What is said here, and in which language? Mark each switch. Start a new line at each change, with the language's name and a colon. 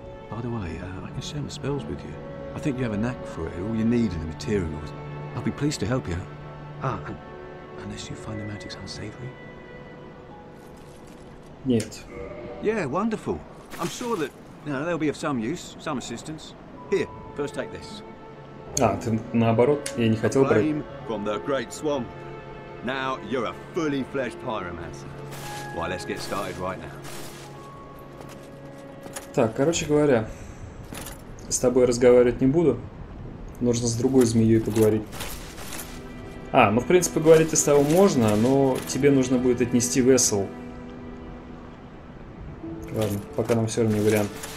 English: By the way, I can share my spells with you. I think you have a knack for it. All you need are the materials. I'll be pleased to help you. Unless you find the magic's unsavory.
Russian: Нет.
English: Yeah, wonderful. I'm sure that you know, they'll be of some use, some assistance. Here, first take this.
Russian: А, ты наоборот, я не хотел брать.
English: Flame from the great swamp. Now you're a fully fledged pyromancer. Well, let's get started right now.
Russian: Так, короче говоря, с тобой разговаривать не буду. Нужно с другой змеей поговорить. А, ну в принципе говорить с тобой можно, но тебе нужно будет отнести весел. Ладно, пока нам все равно не вариант.